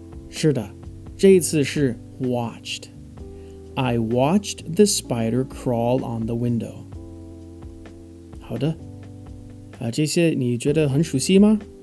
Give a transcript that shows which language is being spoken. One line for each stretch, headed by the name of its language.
Chinese: 是的，这一次是 watched.
English: I watched the spider crawl on the window.
Chinese: 好的，这些你觉得很熟悉吗？